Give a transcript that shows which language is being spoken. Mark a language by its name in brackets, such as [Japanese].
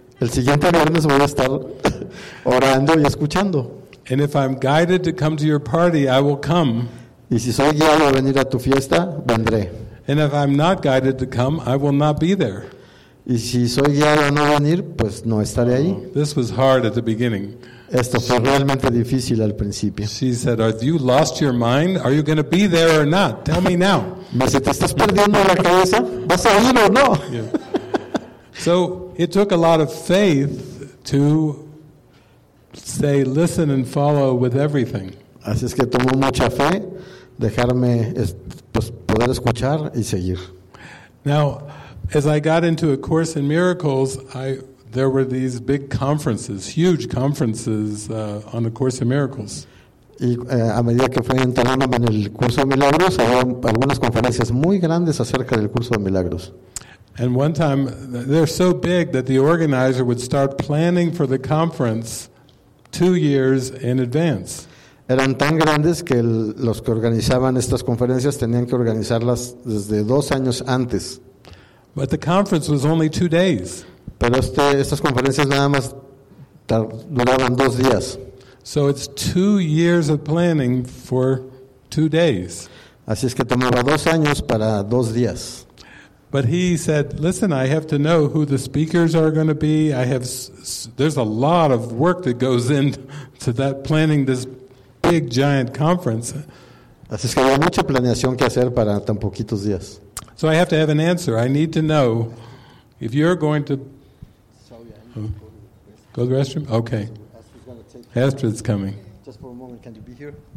[Spanish] El siguiente viernes voy a estar orando y escuchando. [English] And if I'm guided to come to your party, I will come. [Spanish] Y si soy guiado a venir a tu fiesta, vendré. [English] And if I'm not guided to come, I will not be there. [Spanish] Y si soy guiado a no venir, pues no estaré ahí. [English] This was hard at the beginning. [Spanish] Esto fue realmente difícil al principio. [English] She said, "Have you lost your mind? Are you going to be there or not? Tell me now." [Spanish] ¿Mas te estás perdiendo la cabeza? ¿Vas a ir o no? [English] So it took a lot of faith to say, "Listen and follow with everything." [Spanish] Así es que tomó mucha fe dejarme pues poder escuchar y seguir. [English] Now, as I got into A Course in Miracles, there were these big conferences, huge conferences on A Course in Miracles. [Spanish] Y a medida que fui entrando en el curso de milagros, había algunas conferencias muy grandes acerca del curso de milagros. [English] And one time, they're so big that the organizer would start planning for the conference 2 years in advance. [Spanish] Eran tan grandes que los que organizaban estas conferencias tenían que organizarlas desde 2 años antes. [English] But the conference was only 2 days. [Spanish] Pero estas conferencias nada más duraban 2 días. [English] So it's 2 years of planning for 2 days. [Spanish] Así es que tomaba 2 años para 2 días. [English] But he said, listen, I have to know who the speakers are going to be. There's a lot of work that goes into that planning this big, giant conference. [Spanish] Así es que había mucha planeación que hacer para tan poquitos días. [English] So I have to have an answer. I need to know if you're going to... go to the restroom? Okay. Astrid's coming. Just for a moment, can you be here?